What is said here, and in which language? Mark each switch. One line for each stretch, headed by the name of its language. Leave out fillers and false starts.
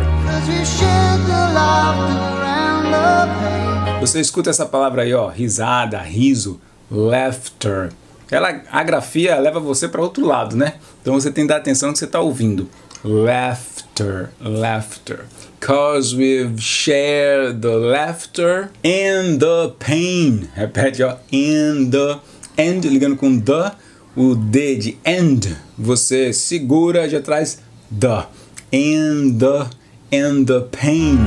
English: 'Cause we shared the laughter and the pain.
Portuguese: Você escuta essa palavra aí, ó, risada, riso, laughter. Ela, a grafia leva você para outro lado, né? Então você tem que dar atenção no que você está ouvindo.
English: Laughter, laughter. 'Cause we've shared the laughter and the pain.
Portuguese: Repete, ó, and the, and, ligando com the. O D de and, você segura, já traz the, and the, and the pain.